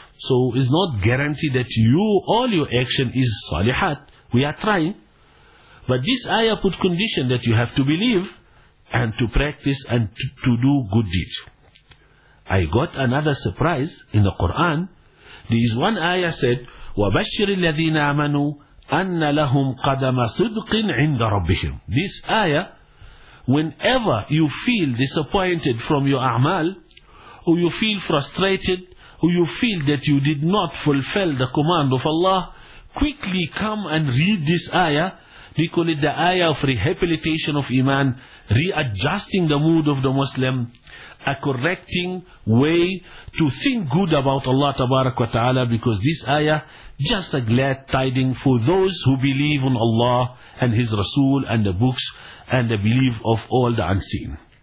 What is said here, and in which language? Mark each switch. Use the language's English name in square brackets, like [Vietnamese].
[English] So it's not guaranteed that all your action is salihat. We are trying. But this ayah put condition that you have to believe and to practice and to do good deeds. I got another surprise in the Quran. There is one ayah said, [Arabic] وَبَشِّرِ الَّذِينَ آمَنُوا أَنَّ لَهُمْ قَدَمَ صِدْقٍ عِنْدَ رَبِّهِمْ. [English] This ayah, whenever you feel disappointed from your a'mal, or you feel frustrated, or you feel that you did not fulfill the command of Allah, quickly come and read this ayah. We call it the ayah of rehabilitation of iman, readjusting the mood of the Muslim, a correcting way to think good about Allah tabarak wa ta'ala, because this ayah, just a glad tiding for those who believe in Allah and His Rasul and the books and the belief of all the unseen.